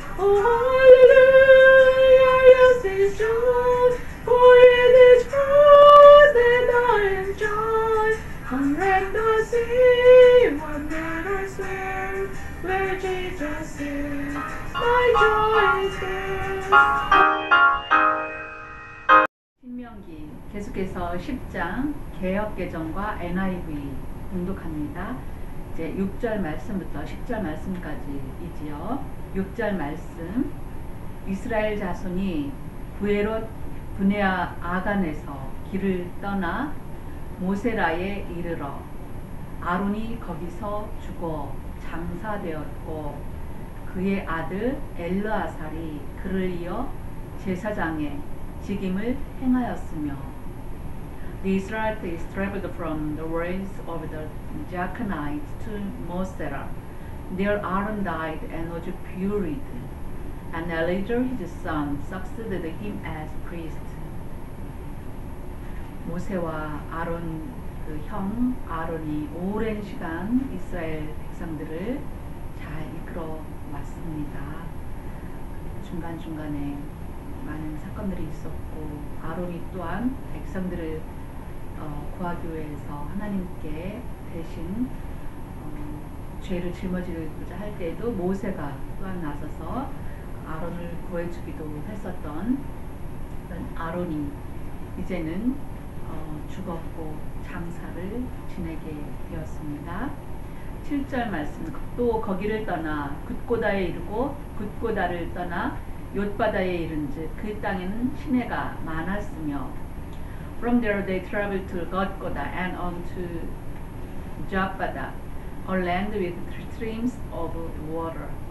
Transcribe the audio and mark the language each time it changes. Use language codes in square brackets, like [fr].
[en] Oh, hallelujah, yes, this joy, for it is Christ that I enjoy. Come and I see, what night I swear, where Jesus is, my joy is there. [ko] 계속해서 10장 개역개정과 NIV 공독합니다. 이제 6절 말씀부터 10절 말씀까지이지요. 6절 말씀, 이스라엘 자손이 부에롯 분야 아간에서 길을 떠나 모세라에 이르러 아론이 거기서 죽어 장사되었고 그의 아들 엘르아살이 그를 이어 제사장의 직임을 행하였으며 [en] The Israelites traveled from the ways of the Jachonites to Mosera. There Aaron died and was buried, and Eleazar his son succeeded him as priest. [ko] 모세와 아론 그 형 아론이 오랜 시간 이스라엘 백성들을 잘 이끌어 왔습니다. 중간 중간에 많은 사건들이 있었고 아론이 또한 백성들을 구하교회에서 하나님께 대신 죄를 짊어지고자 할 때에도 모세가 또한 나서서 아론을 구해주기도 했었던 아론이 이제는 죽었고 장사를 지내게 되었습니다. 7절 말씀, 또 거기를 떠나 굿고다에 이르고 굿고다를 떠나 욧바다에 이른즉 그 땅에는 시내가 많았으며 [en] From there they traveled to Gotgoda and on to Jotbada, a land with streams of water.